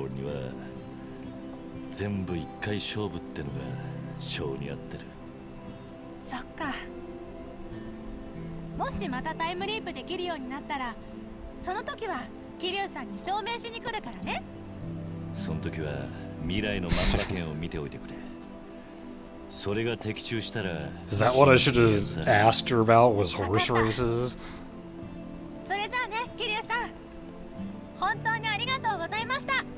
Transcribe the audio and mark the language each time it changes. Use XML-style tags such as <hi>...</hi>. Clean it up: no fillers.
<ja>俺には全部一回勝負ってのが性に合ってる。そっか。もしまたタイムリープできるようになったら、その時は桐生さんに証明しに来るからね。その時は未来の漫画券を見ておいてくれ。それが的中したら。</ja> <en>Is that what I should have asked her about? Was horse races?</en> <ja>それじゃあね、キリュウさん。本当にありがとうございました。</ja>